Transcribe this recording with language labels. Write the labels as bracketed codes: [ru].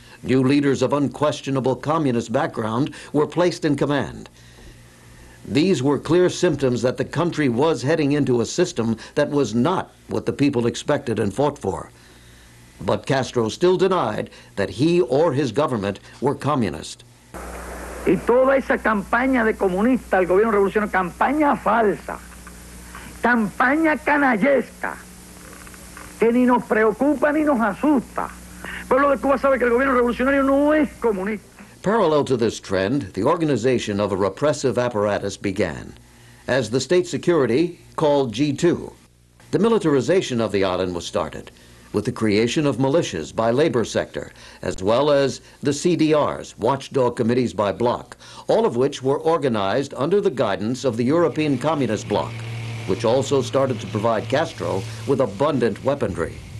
[en] New leaders of unquestionable communist background were placed in command. These were clear symptoms that the country was heading into a system that was not what the people expected and fought for. But Castro still denied that he or his government were communist. [es] Y toda esa campaña de comunista al gobierno revolucionario, campaña falsa, campaña canallesca, que ni nos preocupa ni nos asusta. El pueblo de Cuba sabe que el gobierno revolucionario no es comunista. [en] Parallel to this trend, the organization of a repressive apparatus began as the state security called G2. The militarization of the island was started with the creation of militias by labor sector, as well as the CDRs, watchdog committees by bloc, all of which were organized under the guidance of the European Communist Bloc, which also started to provide Castro with abundant weaponry.